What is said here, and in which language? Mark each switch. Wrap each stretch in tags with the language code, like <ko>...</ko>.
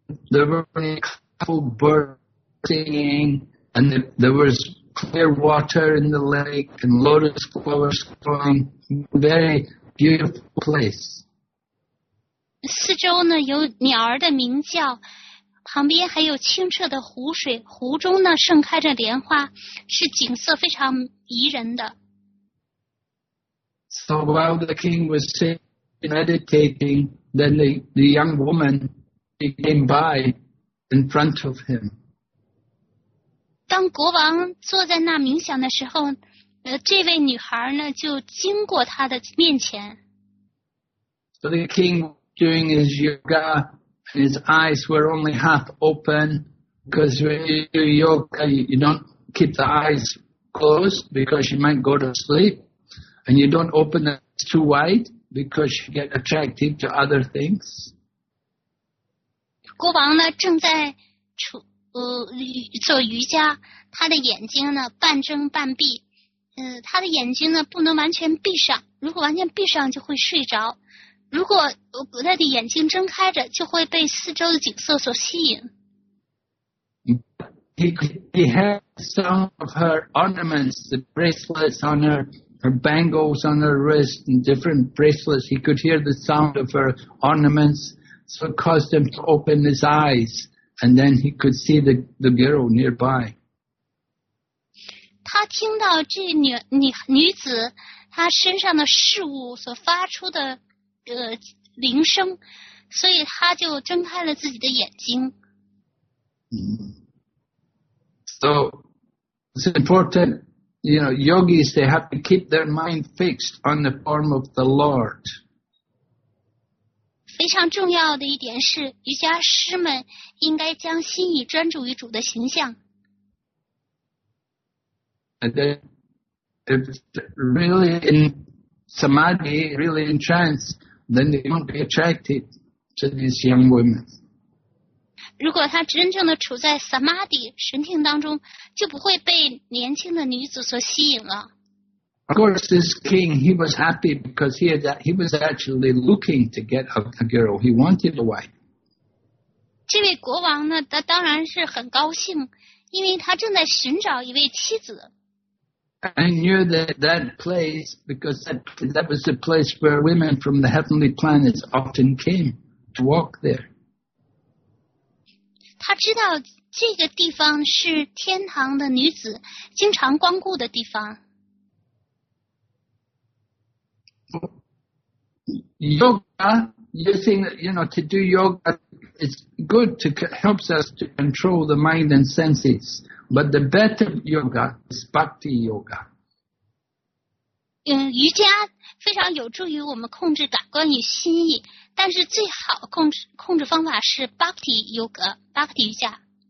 <en>There were a couple birds singing, and there was clear water in the lake, and lotus flowers growing. Very beautiful place.</en> <zh>四周呢有鸟儿的鸣叫，旁边还有清澈的湖水，湖中呢盛开着莲花，是景色非常宜人的。</zh> <en>So while the king was sitting meditating, then the young woman came by in front of him.</en> <zh>当国王坐在那冥想的时候，这位女孩呢就经过他的面前。</zh> <en>So the king doing his yoga, his eyes were only half open, because when you do yoga, you don't keep the eyes closed because you might go to sleep, and you don't open the eyes too wide because you get attracted to other things.</en> <zh>国王呢正在处。做瑜伽，他的眼睛呢半睁半闭，他的眼睛呢不能完全闭上，如果完全闭上就会睡着，如果他的眼睛睁开着就会被四周的景色所吸引。</zh> <en>He had some of her ornaments, the bracelets on her bangles on her wrist and different bracelets. He could hear the sound of her ornaments, so it caused him to open his eyes. And then he could see the girl nearby.</en> <zh>他听到这女子她身上的事物所发出的铃声，所以他就睁开了自己的眼睛。</zh> <en>So it's important, you know, yogis, they have to keep their mind fixed on the form of the Lord.</en> <zh>非常重要的一点是，瑜伽师们应该将心意专注于主的形象。</zh> <en>And then, if really in samadhi, really in trance, then they won't be attracted to these young women.</en> <zh>如果他真正的处在 samadhi 神听当中，就不会被年轻的女子所吸引了。</zh> <en>Of course, this king, he was happy because he was actually looking to get a girl. He wanted a wife.</en> <zh>这位国王呢，他当然是很高兴，因为他正在寻找一位妻子。</zh> <en>I knew that place because that was the place where women from the heavenly planets often came to walk there.</en> <zh>他知道这个地方是天堂的女子经常光顾的地方。</zh> <en>Yoga, you think, you know, to do yoga is good, to helps us to control the mind and senses. But the better yoga is bhakti yoga.</en> <zh>瑜伽非常有助于我们控制感官与心意，但是最好控制方法是 bhakti yoga, bhakti 瑜伽。</zh>